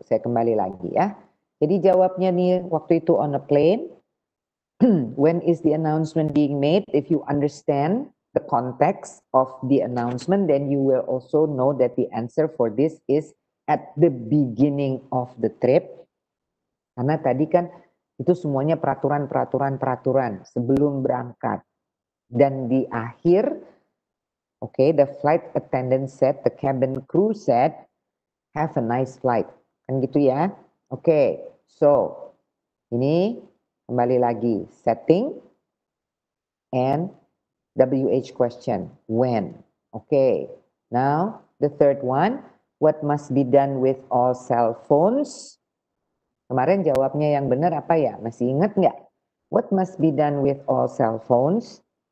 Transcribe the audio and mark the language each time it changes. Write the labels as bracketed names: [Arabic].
[Indonesian] Saya kembali lagi ya. Jadi jawabnya nih waktu itu [English] on a plane. When is the announcement being made? If you understand the context of the announcement, then you will also know that the answer for this is at the beginning of the trip. [Indonesian] Karena tadi kan itu semuanya peraturan sebelum berangkat. Dan di akhir, [English] okay, the flight attendant said, the cabin crew said, have a nice flight. [Indonesian] Kan gitu ya. Okay, so ini kembali lagi [English] setting and WH question, when. Okay, now the third one, what must be done with all cell phones? [Indonesian] Kemarin jawabnya yang benar apa ya? Masih ingat nggak? [English] What must be done with all cell phones?